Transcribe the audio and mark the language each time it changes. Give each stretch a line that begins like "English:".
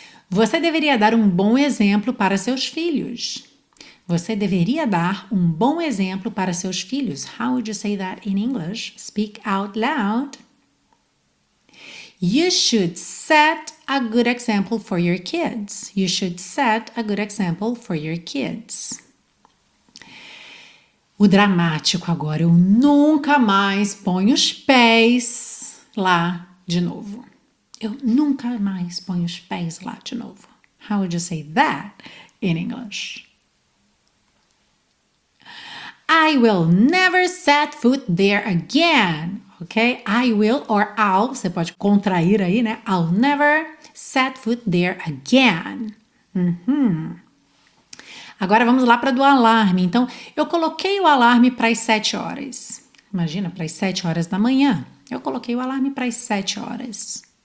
Portuguese: Você deveria dar um bom exemplo para seus filhos. Você deveria dar um bom exemplo para seus filhos.
English: How would you say that in English? Speak out loud. You should set a good example for your kids. You should set a good example for your kids.
Portuguese: O dramático agora. Eu nunca mais ponho os pés lá de novo. Eu nunca mais ponho os pés lá de novo.
English: How would you say that in English? I will never set foot there again, ok? I will or I'll,
Portuguese: você pode contrair aí, né?
English: I'll never set foot there again. Uhum.
Portuguese: Agora vamos lá para do alarme. Então, eu coloquei o alarme para as 7 horas. Imagina, para as 7 horas da manhã. Eu coloquei o alarme para as 7 horas.